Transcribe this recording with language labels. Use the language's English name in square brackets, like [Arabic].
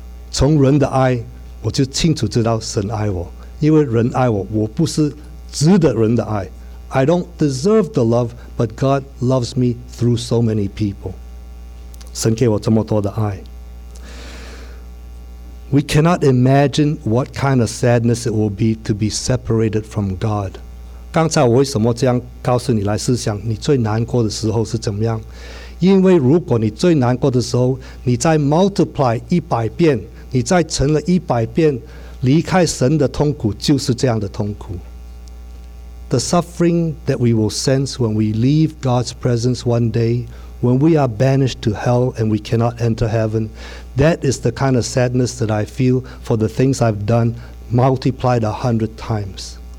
[Chinese] 从人的爱，我就清楚知道神爱我。因为人爱我，我不是值得人的爱。 [English] I don't deserve the love, but God loves me through so many people. [Chinese] 神给我这么多的爱。 [English] We cannot imagine what kind of sadness it will be to be separated from God. [Chinese] 刚才我为什么这样告诉你来思想，你最难过的时候是怎么样？因为如果你最难过的时候，你在 [English] multiply [Chinese] 100遍，你再乘了100遍，离开神的痛苦就是这样的痛苦。 [English] The suffering that we will sense when we leave God's presence one day, when we are banished to hell and we cannot enter heaven, that is the kind of sadness that I feel for the things I've done multiplied 100 times.